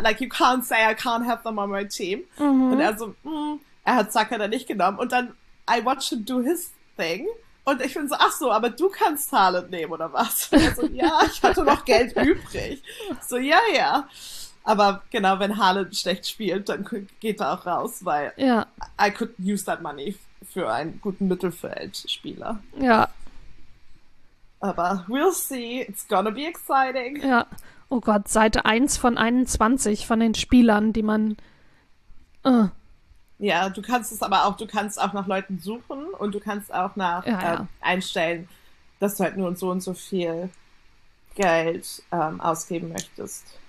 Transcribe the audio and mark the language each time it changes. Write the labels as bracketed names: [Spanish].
[English] Like, you can't say I can't have them on my team. Mhm. [German] Und er so, er hat Saka dann nicht genommen. Und dann, [English] I watched him do his thing. [German] Und ich bin so, ach so, aber du kannst Haaland nehmen, oder was? Und er so, ja, ich hatte noch Geld übrig. So, ja, ja. Aber genau, wenn Haaland schlecht spielt, dann geht er auch raus, weil ja. [English] I could use that money [German] für einen guten Mittelfeldspieler. Ja. [English] Aber we'll see, it's gonna be exciting. [German] Ja, oh Gott, Seite 1 von 21 von den Spielern, die man... Ja, du kannst es aber auch, du kannst auch nach Leuten suchen und du kannst auch nach einstellen, dass du halt nur so und so viel Geld ausgeben möchtest.